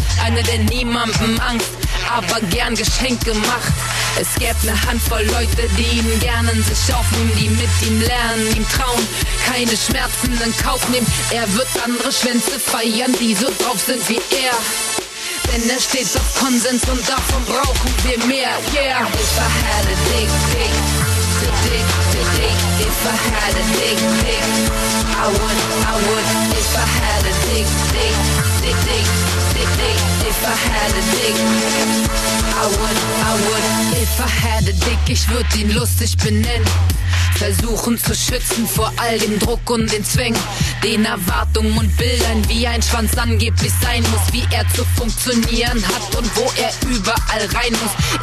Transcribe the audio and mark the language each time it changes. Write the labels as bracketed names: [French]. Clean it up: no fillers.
[German] Einer, der niemandem Angst, aber gern Geschenke macht. Es gäb ne Handvoll Leute, die ihn gerne sich aufnehmen, die mit ihm lernen, ihm trauen, keine Schmerzen in Kauf nehmen. Er wird andere Schwänze feiern, die so drauf sind wie er. Denn er steht auf Konsens und davon brauchen wir mehr. Yeah. [English] If I had a dick, dick, the dick, the dick. If I had a dick, dick, I would. If I had a dick, dick, the dick, the dick. If I had a dick, I would. If I had a dick, [German] ich würd ihn lustig benennen. Versuchen zu schützen vor all dem Druck und den Zwängen, den Erwartungen und Bildern, wie ein Schwanz angeblich sein muss, wie er zu funktionieren hat und wo er überall rein muss.